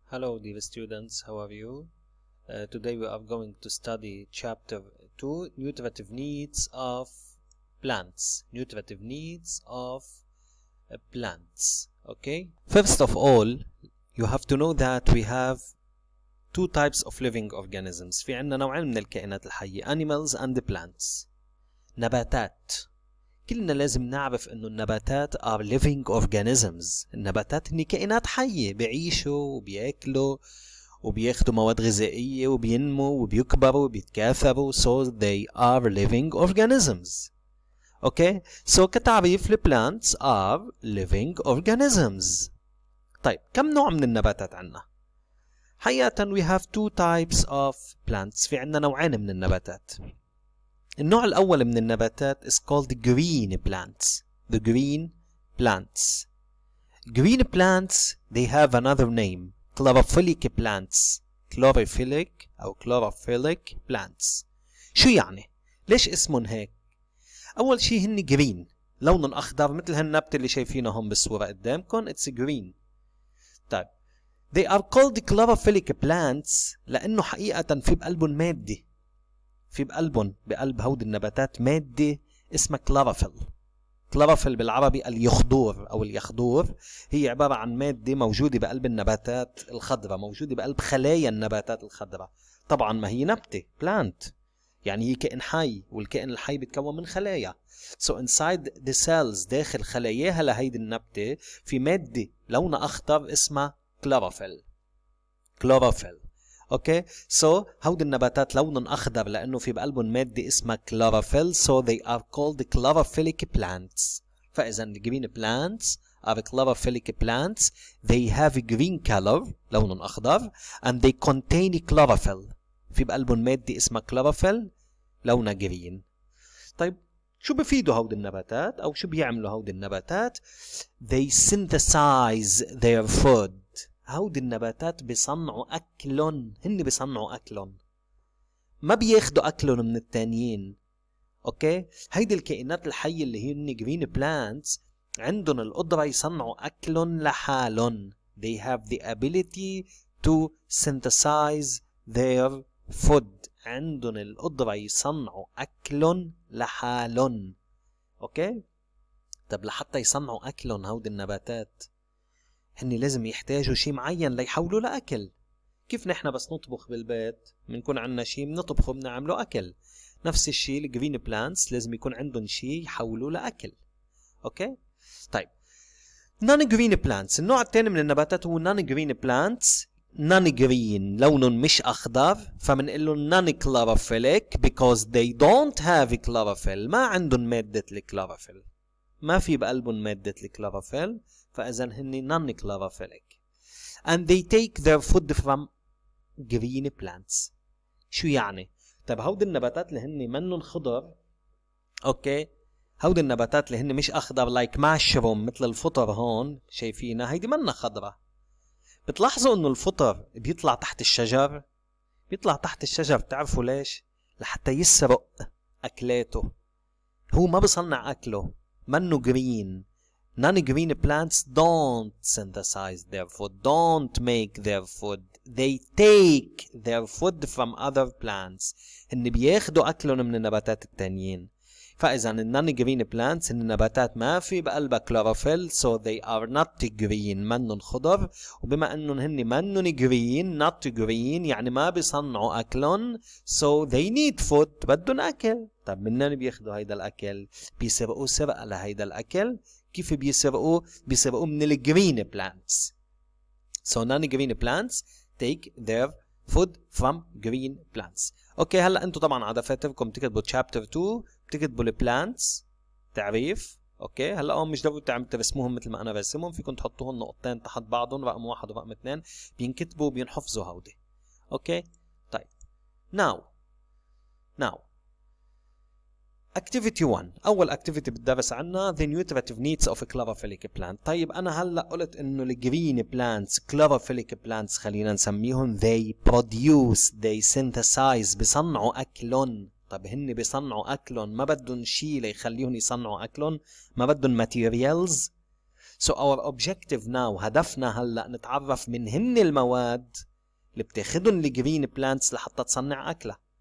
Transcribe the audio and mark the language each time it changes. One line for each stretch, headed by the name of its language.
English: Hello dear students, how are you? Today we are going to study chapter 2, Nutritive Needs of Plants. Nutritive Needs of Plants, okay? First of all, you have to know that we have two types of living organisms.
Arabic: في عندنا نوعين من الكائنات الحية,
English: animals and the plants.
Arabic: نباتات. كلنا لازم نعرف انه النباتات
English: are living organisms.
Arabic: النباتات هني كائنات حية بيعيشوا وبياكلوا وبياخدوا مواد غذائية وبينموا وبيكبروا وبيتكاثروا.
English: So they are living organisms. Okay? So
Arabic: كتعريف
English: the plants are living organisms.
Arabic: طيب كم نوع من النباتات عنا؟ حقيقة
English: we have two types of plants.
Arabic: في عنا نوعين من النباتات. النوع الأول من النباتات
English: is called green plants. The green plants. Green plants, they have another name. Chlorophyllic plants. Chlorophyllic أو chlorophyllic plants.
Arabic: شو يعني؟ ليش اسمهم هيك؟ أول شيء هن green. لونهم أخضر مثل هالنبتة اللي شايفينهم بالصورة قدامكم.
English: It's green. طيب. They are called chlorophyllic plants
Arabic: لأنه حقيقة في بقلبهم مادة. في بقلبهم بقلب هود النباتات مادة اسمها كلوروفيل. كلوروفيل بالعربي اليخضور أو اليخضور, هي عبارة عن مادة موجودة بقلب النباتات الخضرة, موجودة بقلب خلايا النباتات الخضرة. طبعا ما هي نبتة plant, يعني هي كائن حي والكائن الحي بتكون من خلايا.
English: So inside the cells,
Arabic: داخل خلاياها لهيدي النبتة في مادة لونها أخضر اسمها كلوروفيل. كلوروفيل.
English: Okay, so how the
Arabic: النباتات لونهم أخضر لأنه في بقلبهم مادة اسمها
English: chlorophyll, so they are called chlorophyllic plants. فإذا the green plants are chlorophyllic plants. They have a green color,
Arabic: لونهم أخضر,
English: and they contain chlorophyll.
Arabic: في بقلبهم مادة اسمها chlorophyll, لونها green. طيب شو بفيدوا هود النباتات أو شو بيعملوا هود النباتات؟
English: They synthesize their food.
Arabic: هود النباتات بيصنعوا أكلهم, هن بيصنعوا أكلهم, ما بياخدوا أكلهم من التانيين. أوكي, هيدي الكائنات الحية اللي هي هن green plants عندهم القدرة يصنعوا أكلهم لحالهم.
English: They have the ability to synthesize their food.
Arabic: عندهم القدرة يصنعوا أكلهم لحالهم. أوكي, طب لحتى يصنعوا أكلهم هود النباتات هني لازم يحتاجوا شيء معين ليحولوا لأكل. كيف نحن بس نطبخ بالبيت منكون عنا شيء منطبخه بنعمله أكل, نفس الشيء الجرين بلانتس لازم يكون عندهم شيء يحولوا لأكل. أوكي, طيب نان جرين بلانتس, النوع الثاني من النباتات هو نان جرين بلانتس. نان جرين لونهم مش أخضر, فمنقلهم نان كلوروفيلك
English: because they don't have chlorophyll.
Arabic: ما عندهم مادة الكلوروفيل, ما في بقلبهم مادة الكلوروفيل, فإذا هن نان كلوروفيلك.
English: And they take their food from green plants.
Arabic: شو يعني؟ طب هود النباتات اللي هن منن خضر, أوكي, هود النباتات اللي هن مش أخضر
English: like mushroom
Arabic: مثل الفطر هون شايفينها, هيدي منا خضرة. بتلاحظوا إنه الفطر بيطلع تحت الشجر, بيطلع تحت الشجر, بتعرفوا ليش؟ لحتى يسرق أكلاته. هو ما بصنع أكله, منو green.
English: Non-green plants don't synthesize their food, don't make their food. They take their food from other plants.
Arabic: هن بياخدوا أكلهم من النباتات التانيين. فإذا non-green plants هن النباتات ما في بقلبها chlorophyll,
English: so they are not green,
Arabic: منن خضر. وبما أنهم هن منن green, not green, يعني ما بيصنعوا أكلهم,
English: so they need food,
Arabic: بدهن أكل. طب منن بياخدوا هيدا الأكل؟ بيسرقوا سرقة لهيدا الأكل. كيف بيسرقوا؟ بيسرقوا من الجرين بلانتس.
English: So non-green plants take their food from green plants.
Arabic: اوكي, هلا انتم طبعا على دفاتركم بتكتبوا chapter 2, بتكتبوا البلانتس تعريف. اوكي, هلا هون مش ضروري تعملوا ترسموهم مثل ما انا برسمهم, فيكم تحطوهم نقطتين تحت بعضهم, رقم 1 ورقم 2, بينكتبوا وبينحفظوا هودي. اوكي, طيب ناو Activity 1, أول activity بتدرس عنا
English: The Nutritive Needs of Chlorophyllic Plants.
Arabic: طيب أنا هلأ قلت إنه Green Plants, Chlorophyllic Plants خلينا نسميهم,
English: They produce, they synthesize,
Arabic: بصنعوا أكلهم. طيب هن بصنعوا أكلهم, ما بدهم شيء ليخليهم يصنعوا أكلهم, ما بدهم materials.
English: So our objective now,
Arabic: هدفنا هلا نتعرف من هن المواد اللي بتاخدهم لجرين بلانتس لحتى تصنع أكلة.